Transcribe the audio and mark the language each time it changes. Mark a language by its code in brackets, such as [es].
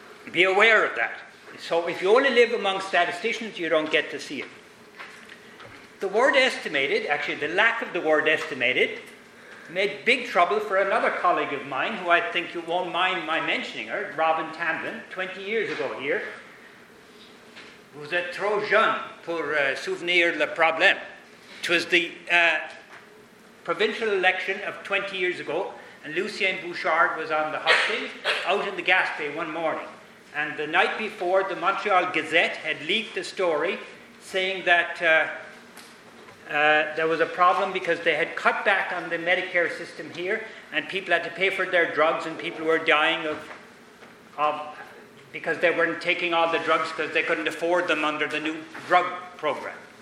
[en] Be aware of that. So if you only live among statisticians, you don't get to see it. The word estimated, actually the lack of the word estimated, made big trouble for another colleague of mine, who I think you won't mind my mentioning her, Robin Tamblyn, 20 years ago here. [fr] Vous êtes trop jeune pour souvenir le problème. [en] It was the provincial election of 20 years ago, and Lucien Bouchard was on the hustings out in the Gaspé one morning. And the night before, the Montreal Gazette had leaked a story saying that there was a problem because they had cut back on the Medicare system here, and people had to pay for their drugs, and people were dying of because they weren't taking all the drugs because they couldn't afford them under the new drug program.